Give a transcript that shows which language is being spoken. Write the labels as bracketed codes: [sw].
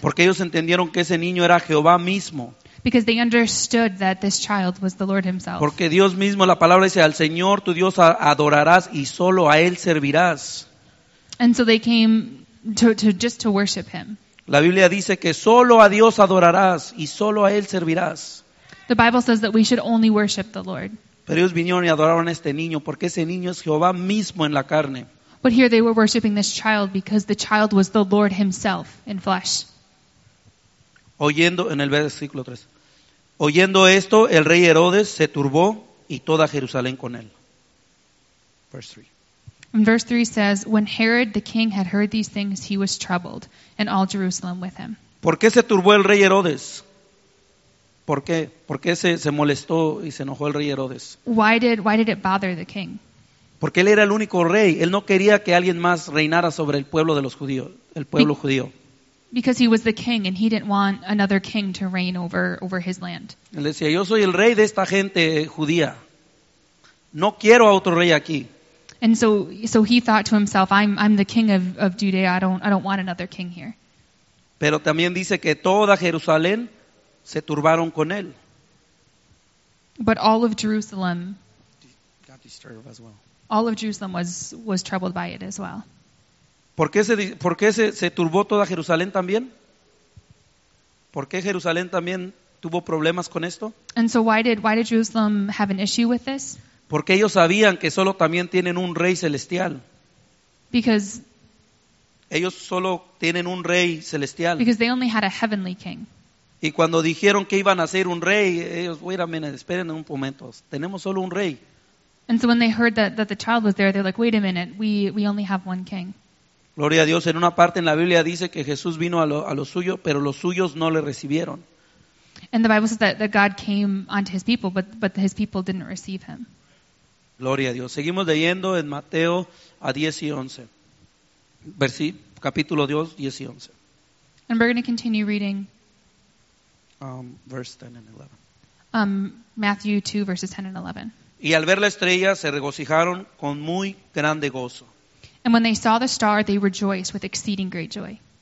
[es] Porque ellos entendieron que ese niño era Jehová mismo. [en] Because they understood that this child was the Lord himself. [es] Porque Dios mismo, la palabra dice, al Señor tu Dios adorarás y solo a él servirás. [en] And so they came to just to worship him. [es] La Biblia dice que solo a Dios adorarás y solo a él servirás. [en] The Bible says that we should only worship the Lord. [es] Pero ellos vinieron y adoraron a este niño porque ese niño es Jehová mismo en la carne. [en] But here they were worshiping this child because the child was the Lord himself in flesh. [es] Oyendo en el versículo 3. Oyendo esto, el rey Herodes se turbó y toda Jerusalén con él. [en] Verse 3. And verse 3 says, when Herod the king had heard these things, he was troubled, and all Jerusalem with him. [es] ¿Por qué se turbó el rey Herodes? ¿Por qué? ¿Por qué se molestó y se enojó el rey Herodes? [en] Why did it bother the king? [es] Porque él era el único rey. Él no quería que alguien más reinara sobre el pueblo de los judíos, el pueblo judío. [en] Because he was the king and he didn't want another king to reign over his land. [es] Él decía, yo soy el rey de esta gente judía. No quiero a otro rey aquí. [en] And so he thought to himself, I'm the king of Judea. I don't want another king here. [es] Pero también dice que toda Jerusalén se turbaron con él. [en] But all of Jerusalem got disturbed as well. All of Jerusalem was troubled by it as well. [es] ¿Por qué se turbó toda Jerusalén también? ¿Por qué Jerusalén también tuvo problemas con esto? [en] And so why did Jerusalem have an issue with this? [es] Porque ellos sabían que solo también tienen un rey celestial. [en] Because [es] ellos solo tienen un rey celestial. [en] Because they only had a heavenly king. [es] Y cuando dijeron que iban a ser un rey, ellos, [en] wait a minute, [es] esperen un momento, tenemos solo un rey. [en] And so when they heard that the child was there, they're like, wait a minute, we only have one king. [es] Gloria a Dios, en una parte en la Biblia dice que Jesús vino a lo suyo, pero los suyos no le recibieron. [en] And the Bible says that God came unto his people, but his people didn't receive him. [es] Gloria a Dios. Seguimos leyendo en Mateo 10 y 11. Capítulo 2, 10 y 11. [en] And we're going to continue reading. Verse 10 and 11. Matthew 2, verses 10 and 11. [es] Y al ver la estrella, se regocijaron con muy grande gozo. [en] And when they saw the star, they rejoiced with exceeding great joy.